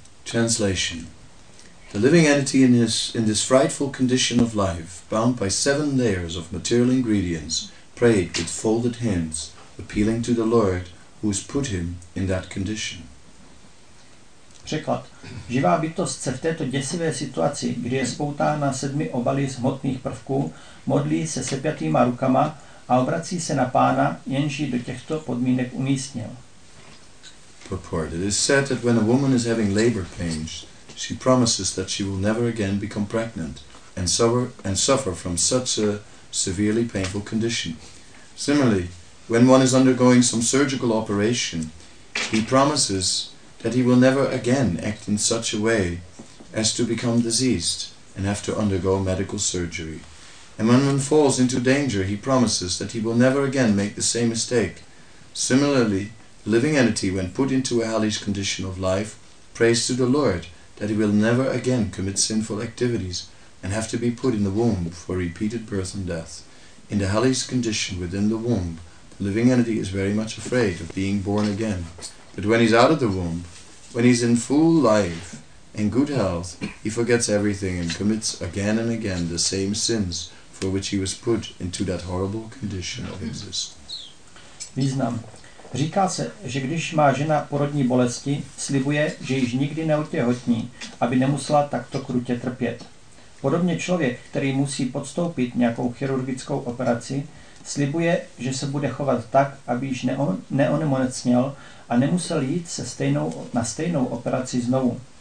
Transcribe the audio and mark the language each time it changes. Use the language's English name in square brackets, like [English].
[English] Translation: the living entity in this frightful condition of life, bound by seven layers of material ingredients, prayed with folded hands, appealing to the Lord who has put him in that condition. [Czech] Překlad. Živá bytost se v této děsivé situaci, kdy je spoutána sedmi obaly z hmotných prvků, modlí se sepjatýma rukama a obrací se na pána, jenž ji do těchto podmínek umístnil. [English] Purport. It is said that when a woman is having labor pains, she promises that she will never again become pregnant and suffer from such a severely painful condition. Similarly, when one is undergoing some surgical operation, he promises that he will never again act in such a way as to become diseased and have to undergo medical surgery. And when one falls into danger, he promises that he will never again make the same mistake. Similarly, the living entity, when put into a hellish condition of life, prays to the Lord that he will never again commit sinful activities and have to be put in the womb for repeated birth and death. In the hellish condition within the womb, the living entity is very much afraid of being born again. But when he's out of the womb, when he's in full life and good health, he forgets everything and commits again and again the same sins for which he was put into that horrible condition of existence. [Czech] Význam. Říká se, že když má žena porodní bolesti, slibuje, že již nikdy neotěhotní, aby nemusela takto krutě trpět. Podobně člověk, který musí podstoupit nějakou chirurgickou operaci, slibuje, že se bude chovat tak, aby již neonemocněl a nemusel jít na stejnou operaci znovu.